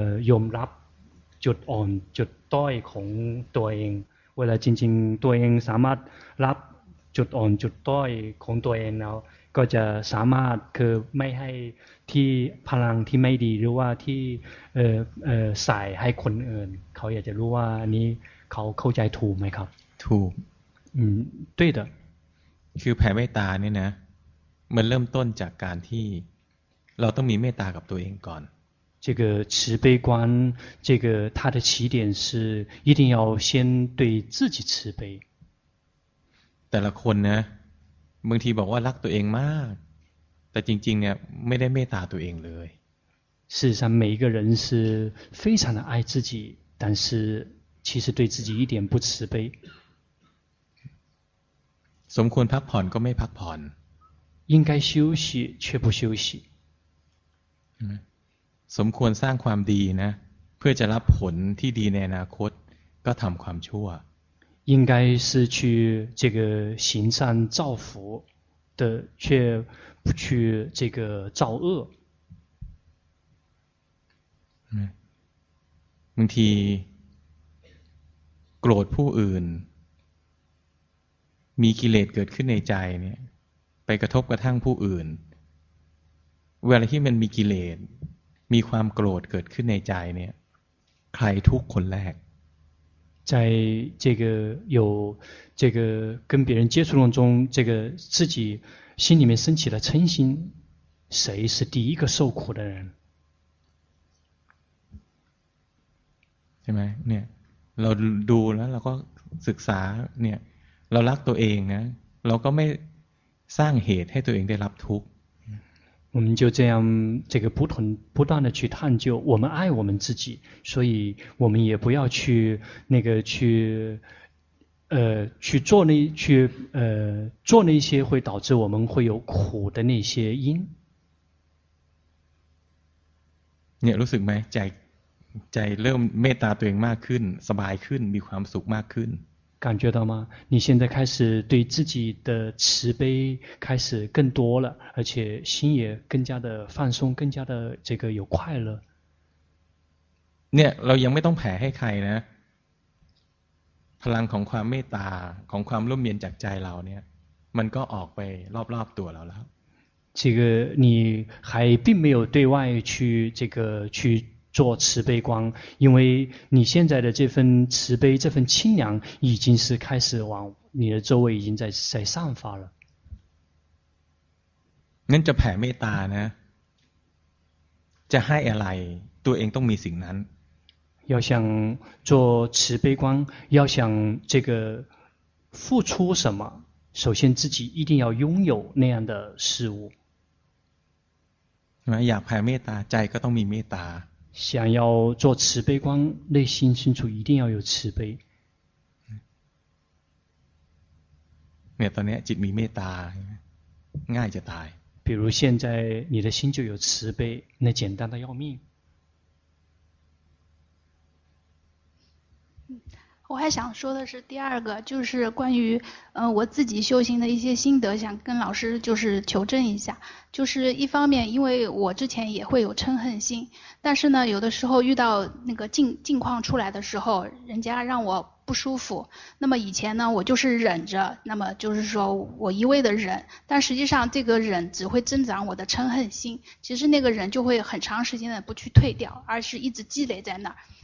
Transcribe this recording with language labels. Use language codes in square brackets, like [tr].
[th] ยอมรับจุดอ่อนจุดด้อยของตัวเองเวลาจริงๆตัวเองสามารถรับจุดอ่อนจุดด้อยของตัวเองแล้วก็จะสามารถคือไม่ให้ที่พลังที่ไม่ดีหรือว่าที่ใส่ให้คนอื่นเขาอยากจะรู้ว่าอันนี้เขาเข้าใจถูกไหมครับ ถูก ด้วยเด้อคือแผ่เมตตาเนี่ยนะมันเริ่มต้นจากการที่ เราต้องมีเมตตากับตัวเองก่อน [zh] 这个慈悲观这个它的起点是一定要先对自己慈悲 [th] แต่ละคนนะบางทีบอกว่ารักตัวเองมากแต่จริงๆเนี่ยไม่ได้เมตตาตัวเองเลย [zh] 事实上每一个人是非常的爱自己但是其实对自己一点不慈悲 [th] สมควรพักผ่อนก็ไม่พักผ่อน [zh] 应该休息却不休息 [th] สมควรสร้างความดีนะเพื่อจะรับผลที่ดีในอนาคตก็ทำความชั่ว [zh] 应该是去这个行善造福的却不去这个造恶 [th] บางทีโกรธผู้อื่นมีกิเลสเกิดขึ้นในใจเนี่ยไปกระทบกระทั่งผู้อื่นเวลาที่มันมีกิเลสมีความโกรธเกิดขึ้นในใจเนี่ยใครทุกคนแรก [zh] 在这个有这个跟别人接触当中这个自己心里面升起了嗔心谁是第一个受苦的人 [th] ใช่ไหมเนี่ยเราดูแล้วเราก็ศึกษาเนี่ยเรารักตัวเองนะเราก็ไม่สร้างเหตุให้ตัวเองได้รับทุกข์ [zh] 我们就这样这个不断的去探究我们爱我们自己所以我们也不要去那个去去做那去做那些会导致我们会有苦的那些因 [th] เนี่ยรู้สึกไหมใจเริ่มเมตตาตัวเองมากขึ้นสบายขึ้นมีความสุขมากขึ้น [zh] 感觉到吗你现在开始对自己的慈悲开始更多了而且心也更加的放松更加的这个有快乐 [th] เนี่ยเรายังไม่ต้องแผ่ให้ใครนะพลังของความเมตตาของความร่มเย็นจากใจเราเนี่ยมันก็ออกไปรอบๆตัวเราแล้ว [zh] 这个你还并没有对外去这个去做慈悲光因为你现在的这份慈悲这份清凉已经是开始往你的周围已经在散发了 [th] งั้นจะแผ่เมตตานะจะให้อะไรตัวเองต้องมีสิ่งนั้น [zh] 要想做慈悲光要想这个付出什么首先自己一定要拥有那样的事物 [th] อยากแผ่เมตตาใจก็ต้องมีเมตตา [zh] 想要做慈悲光内心深处一定要有慈悲 [th] เนี่ยตอนนี้จิตมีเมตตาง่ายจะตาย [zh] 比如现在你的心就有慈悲那简单的要命我还想说的是第二个就是关于我自己修行的一些心得想跟老师就是求证一下就是一方面因为我之前也会有嗔恨心但是呢有的时候遇到那个境况出来的时候人家让我不舒服那么以前呢我就是忍着那么就是说我一味的忍但实际上这个忍只会增长我的嗔恨心其实那个忍就会很长时间的不去退掉而是一直积累在那儿